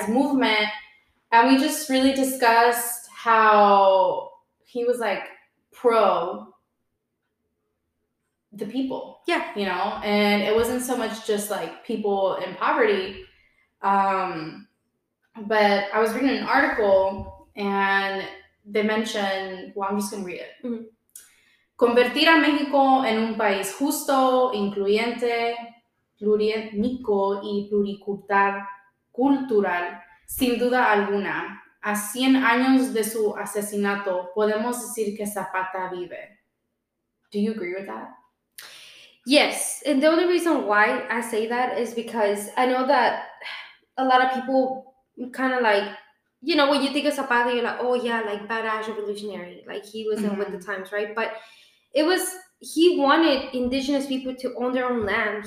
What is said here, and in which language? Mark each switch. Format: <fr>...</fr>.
<en>his movement, and we just really discussed how he was like pro the people. Yeah. You know, and it wasn't so much just like people in poverty. But I was reading an article and they mentioned, well, I'm just going to read it. Mm-hmm.</en> <es>Convertir a México en un país justo, incluyente, plurietnico y pluricultural, sin duda alguna. A 100 años de su asesinato, podemos decir que Zapata vive.</es> <en>Do you agree with that? Yes. And the only reason why I say that is because I know that a lot of people kind of like, you know, when you think of Zapata, you're like, oh, yeah, like badass revolutionary. Like he was mm-hmm. in with the times, right? But it was he wanted indigenous people to own their own land.</en>